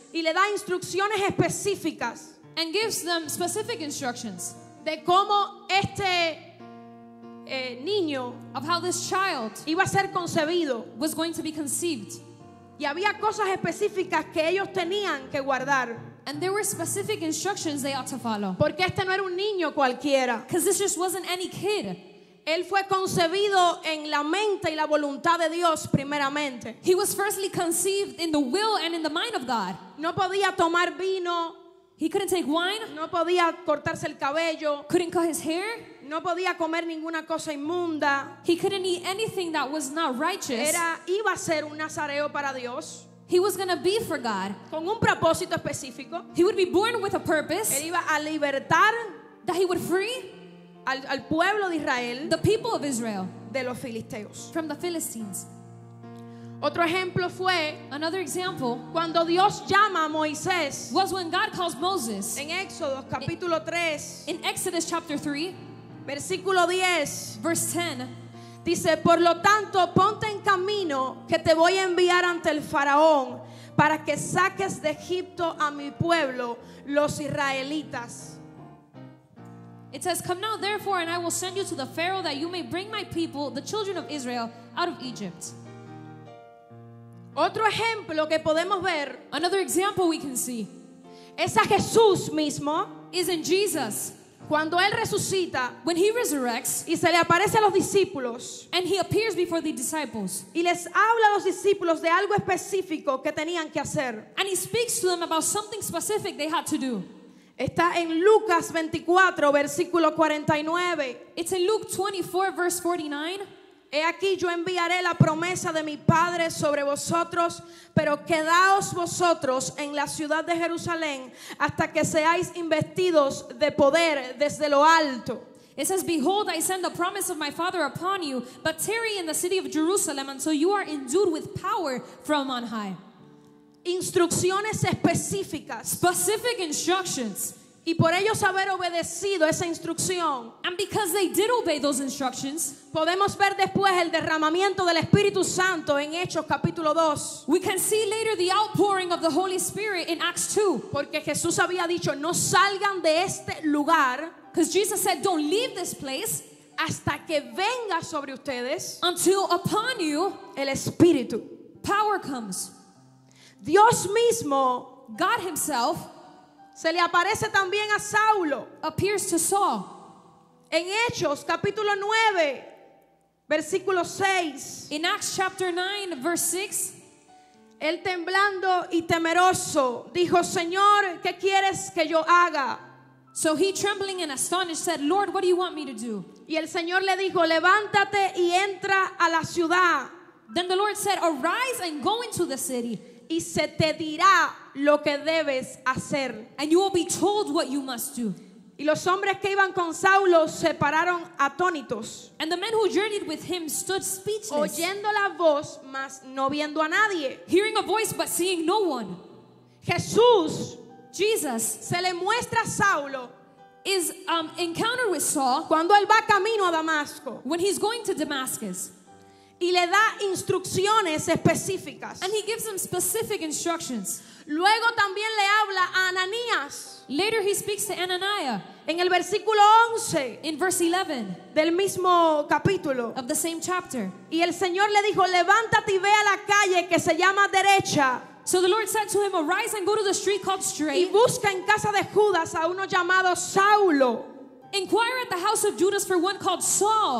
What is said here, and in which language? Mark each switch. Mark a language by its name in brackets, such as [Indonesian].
[Spanish] Y le da instrucciones específicas. [English] And gives them specific instructions. [Spanish] De cómo este niño. [English] Of how this child. [Spanish] Iba a ser concebido. [English] Was going to be conceived. [Spanish] Y había cosas específicas que ellos tenían que guardar. [English] And there were specific instructions they ought to follow. [Spanish] Porque este no era un niño cualquiera. [English] Because this just wasn't any kid. [Spanish] Él fue concebido en la mente y la voluntad de Dios primeramente. [English] He was firstly conceived in the will and in the mind of God. [Spanish] No podía tomar vino. [English] He couldn't take wine. [Spanish] No podía cortarse el cabello. [English] Couldn't cut his hair. [Spanish] No podía comer ninguna cosa inmunda. [English] He couldn't eat anything that was not righteous. [Spanish] Era, iba a ser un nazareo para Dios. [English] He was going to be for God. [Spanish] Con un propósito específico. [English] He would be born with a purpose. [Spanish] Él iba a libertar. [English] That he would free. [Spanish] Al pueblo de Israel. [English] The people of Israel. [Spanish] De los filisteos. [English] From the Philistines. [Spanish] Otro ejemplo fue. [English] Another example. [Spanish] Cuando Dios llama a Moisés. [English] Was when God calls Moses. [Spanish] En Éxodo capítulo 3. [English] In Exodus chapter 3. [Spanish] Versículo 10, [English] verse 10, [Spanish] dice: por lo tanto, ponte en camino que te voy a enviar ante el faraón para que saques de Egipto a mi pueblo, los israelitas. [English] It says, come now therefore and I will send you to the Pharaoh that you may bring my people, the children of Israel, out of Egypt. [Spanish] Otro ejemplo que podemos ver, [English] another example we can see, [Spanish] es a Jesús mismo, [English] is in Jesus. [Spanish] Cuando él resucita, [English] when he resurrects, [Spanish] y se le aparece a los discípulos, [English] and he appears before the disciples, [Spanish] y les habla a los discípulos de algo específico que tenían que hacer, [English] and he speaks to them about something specific they had to do. [Spanish] Está en Lucas 24, versículo 49. [English] It's in Luke 24, verse 49. [Spanish] He aquí, yo enviaré la promesa de mi Padre sobre vosotros, pero quedaos vosotros en la ciudad de Jerusalén hasta que seáis investidos de poder desde lo alto. [English] It says, behold, I send the promise of my Father upon you, but tarry in the city of Jerusalem until you are endued with power from on high. [Spanish] Instrucciones específicas, [English] specific instructions, [Spanish] y por ellos haber obedecido esa instrucción, [English] and because they did obey those instructions, [Spanish] podemos ver después el derramamiento del Espíritu Santo en Hechos capítulo 2. [English] We can see later the outpouring of the Holy Spirit in Acts 2, [Spanish] porque Jesús había dicho, no salgan de este lugar, [English] because Jesus said, don't leave this place, [Spanish] hasta que venga sobre ustedes, [English] until upon you, [Spanish] el Espíritu, [English] power comes. [Spanish] Dios mismo, [English] God himself, [Spanish] se le aparece también a Saulo, [English] appears to Saul, [Spanish] en Hechos capítulo 9, versículo 6. [English] In Acts chapter 9, verse 6, [Spanish] él temblando y temeroso dijo, Señor, ¿qué quieres que yo haga? [English] So he trembling and astonished said, Lord, what do you want me to do? [Spanish] Y el Señor le dijo, levántate y entra a la ciudad. [English] Then the Lord said, arise and go into the city, [Spanish] y se te dirá lo que debes hacer. [English] And you will be told what you must do. [Spanish] Y los hombres que iban con Saulo se pararon atónitos. [English] And the men who journeyed with him stood speechless. [Spanish] Oyendo la voz, mas no viendo a nadie. [English] Hearing a voice, but seeing no one. [Spanish] Jesús, [English] Jesus, [Spanish] se le muestra a Saulo, [English] is encountered with Saul, [Spanish] cuando él va camino a Damasco, [English] when he's going to Damascus, [Spanish] y le da instrucciones específicas. [English] And he gives him specific instructions. [Spanish] Luego también le habla a Ananías. [English] Later he speaks to Ananias. [Spanish] En el versículo 11. [English] In verse 11. [Spanish] Del mismo capítulo. [English] Of the same chapter. [Spanish] Y el Señor le dijo, levántate y ve a la calle que se llama derecha. [English] So the Lord said to him, arise and go to the street called straight. [Spanish] Y busca en casa de Judas a uno llamado Saulo. [English] Inquire at the house of Judas for one called Saul.